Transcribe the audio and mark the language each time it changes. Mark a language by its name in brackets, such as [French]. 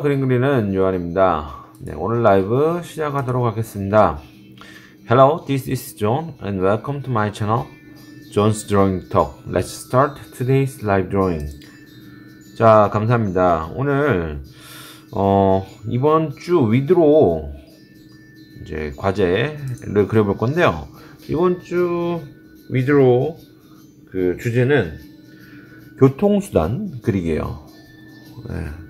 [Korean] 그린 그리는 요한입니다. 네, 오늘 라이브 시작하도록 하겠습니다. [English] Hello, this is John and welcome to my channel, John's Drawing Talk. Let's start today's live drawing. [Korean] 자, 감사합니다. 오늘 이번 주 위드로 이제 과제를 그려볼 건데요. 이번 주 위드로 그 주제는 교통수단 그리기예요. 네.